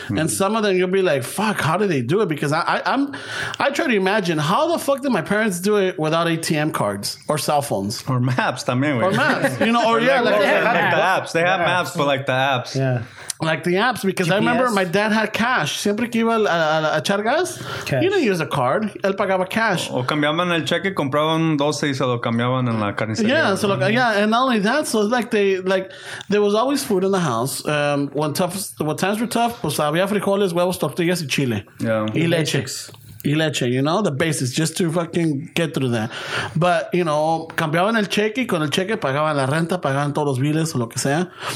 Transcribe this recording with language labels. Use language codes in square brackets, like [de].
[en] And some of them, you'll be like, fuck, how do they do it? Because I try to imagine, how the fuck did my parents do it without ATM cards or cell phones? Or maps, [es] también. [en] Or maps. You know, or yeah. Like the apps. They have maps, but like the apps. Yeah. Like the apps, because GPS. I remember my dad had cash. [es] Siempre que iba a echar gas, [en] he didn't use a card. [es] Él pagaba cash. O cambiaban el cheque, compraban 12 y se lo cambiaban en la carnicería. [en] Yeah, so yeah, and not only that, so it's like there was always food in the house. When times were tough, [es] pues había frijoles, huevos, tortillas y chile. [en] Yeah. [es] Y leches. Leche, [en] you know, the basis, just to fucking get through that. But, you know, [es] cambiaban el cheque y con el cheque pagaban la renta, pagaban todos los biles o lo que sea.